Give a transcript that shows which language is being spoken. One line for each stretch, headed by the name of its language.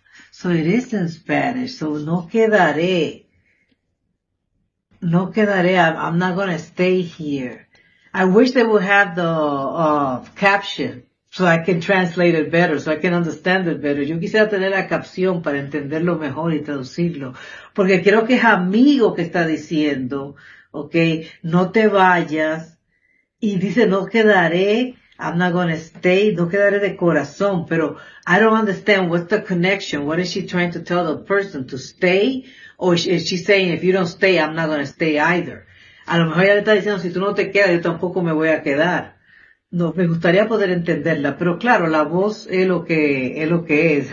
English: So it is in Spanish. So
Spanish: no quedaré. No quedaré.
English: I'm not going to stay here. I wish they would have the caption so I can translate it better, so I can understand it better.
Spanish: Yo quisiera tener la caption para entenderlo mejor y traducirlo. Porque creo que es amigo que está diciendo, okay, no te vayas. Y dice, no quedaré.
English: I'm not going to stay,
Spanish: no quedaré de corazón, pero
English: I don't understand what's the connection. What is she trying to tell the person? To stay? Or is she saying, if you don't stay, I'm not going to stay either.
Spanish: A lo mejor ella le está diciendo, si tú no te quedas, yo tampoco me voy a quedar. No, me gustaría poder entenderla, pero claro, la voz es lo que es.